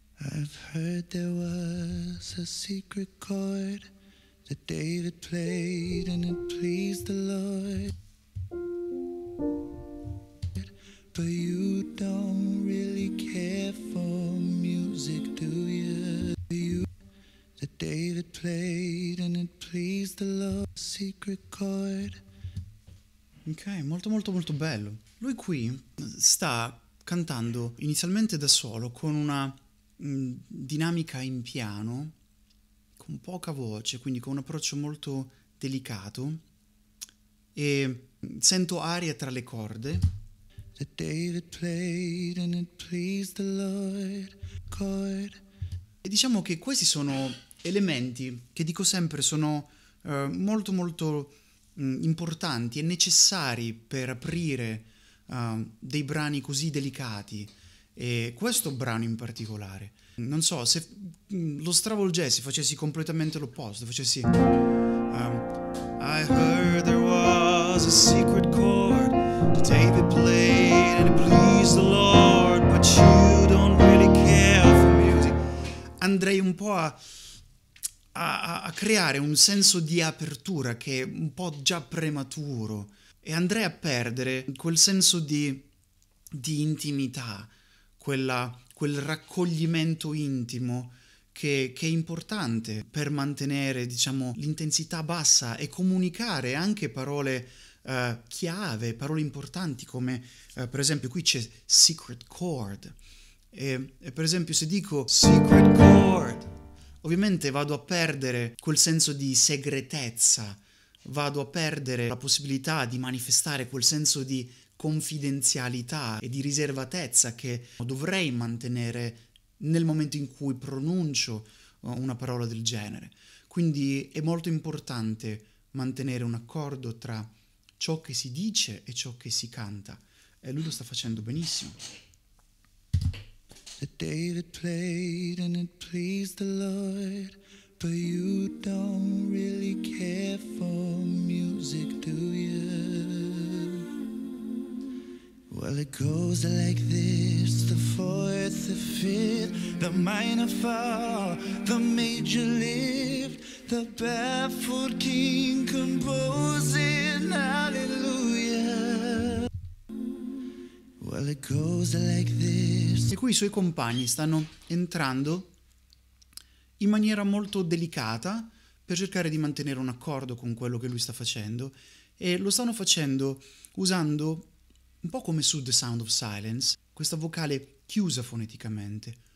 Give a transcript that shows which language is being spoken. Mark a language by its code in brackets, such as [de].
[en] I've heard there was a secret chord that David played and it pleased the Lord. But you don't really care for music, do you? You that David played and it pleased the Lord. Secret chord. [it] Ok, molto molto molto bello. Lui qui sta cantando inizialmente da solo con una dinamica in piano, con poca voce, quindi con un approccio molto delicato, e sento aria tra le corde. [en] That David played and it pleased the Lord. Chord. [it] E diciamo che questi sono elementi che dico sempre sono molto molto importanti e necessari per aprire dei brani così delicati, e questo brano in particolare. Non so, se lo stravolgessi, facessi completamente l'opposto, facessi [en] I heard there was a secret chord that David played and it pleased the Lord, but you don't really care for music. [it] Andrei un po' a creare un senso di apertura che è un po' già prematuro, e andrei a perdere quel senso di intimità, quel raccoglimento intimo che è importante per mantenere, diciamo, l'intensità bassa e comunicare anche parole chiave, parole importanti, come per esempio qui c'è [en] secret chord. [it] E per esempio se dico [en] secret chord, [it] ovviamente vado a perdere quel senso di segretezza, vado a perdere la possibilità di manifestare quel senso di confidenzialità e di riservatezza che dovrei mantenere nel momento in cui pronuncio una parola del genere. Quindi è molto importante mantenere un accordo tra ciò che si dice e ciò che si canta, e lui lo sta facendo benissimo. [en] David played and it pleased the Lord. But you don't really care for music, do you? Well, it goes like this, the fourth, the fifth, the minor fall, the major lift, the baffled king composing hallelujah. Well, it goes like this. [it] E qui i suoi compagni stanno entrando in maniera molto delicata per cercare di mantenere un accordo con quello che lui sta facendo, e lo stanno facendo usando un po' come su The Sound of Silence, questa vocale chiusa foneticamente.